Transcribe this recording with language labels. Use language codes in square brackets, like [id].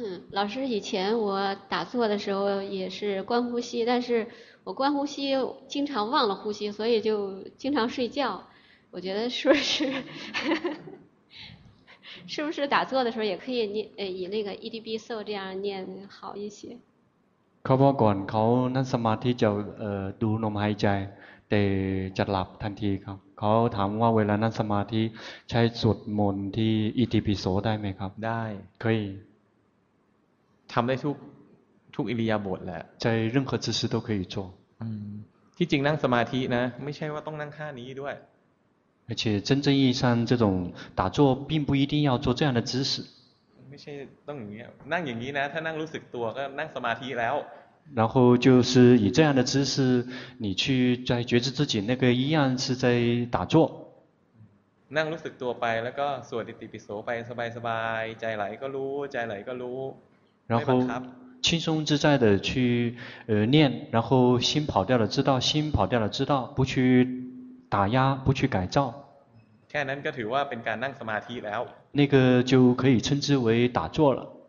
[zh] 老师以前我打坐的时候也是观呼吸但是我观呼吸经常忘了呼吸所以就经常睡觉我觉得是不是打坐的时候也可以念以那个 EDB SO 这样念好一些 [th] เขาบอกก่อนเขานั่งสมาธิจะดูลมหายใจแต่จะหลับทันทีครับเขาถามว่าเวลานั่งสมาธิใช้สวดมนต์ที่อิติปิโสได้ไหมครับ ได้เคย ทำได้ทุกอิริยาบถแหละ [zh] ใช่ 任何姿势都可以做 [th] ที่จริงนั่งสมาธินะไม่ใช่ว่าต้องนั่งท่านี้ด้วย [zh] 而且真正意义上这种打坐并不一定要做这样的姿势 [th] ไม่ใช่ต้องอย่างนี้นั่งอย่างนี้นะถ้านั่งรู้สึกตัวก็นั่งสมาธิแล้ว [zh] 然后就是以这样的姿势你去在觉知自己那个一样是在打坐 [th] นั่งรู้สึกตัวไปแล้วก็สวดอิติปิโสไปสบายๆใจไหลก็รู้ใจไหลก็รู้ [zh] 然后轻松自在的去念然后心跑掉了知道心跑掉了知道不去打压不去改造 [th] แค่นั้นก็ถือว่าเป็นการนั่งสมาธิแล้ว [zh] 那个就可以称之为打坐了